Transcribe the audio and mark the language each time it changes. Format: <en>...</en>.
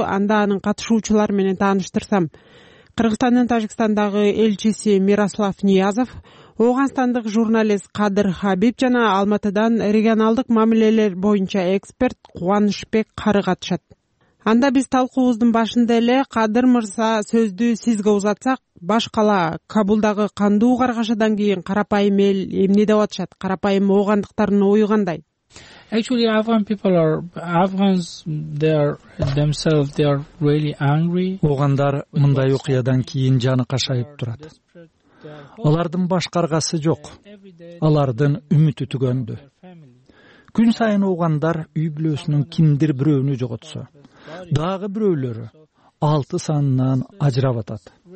<ky>Анда анын катышуучулар менен тааныштырсам, Кыргызстандын Тажикстандагы элчиси Мирослав Ниязов, Ооганстандык журналист Кадыр Хабиб жана Алматыдан регионалдык мамилелер боюнча эксперт Кубанышбек Кары катышат. Анда биз талкуубуздун башында эле Кадыр мырза сөздү сизге узатсак, баш кала Кабулдагы кандуу каргашадан кийин карапайым эл эмне деп атышат? Карапайым оогандыктардын ою кандай?</ky> <en>Actually, Afghans, they are themselves, they are really angry.</en> <ky>Оогандар мындай окуядан кийин жаны кашайып турат. Алардын баш каргасы жок. Алардын үмүтү түгөндү. Күн сайын оогандар үй бүлөсүнүн кимдир бирөөнү жоготсо, дагы бирөөлөрү 6 санынан ажырап атат.</ky>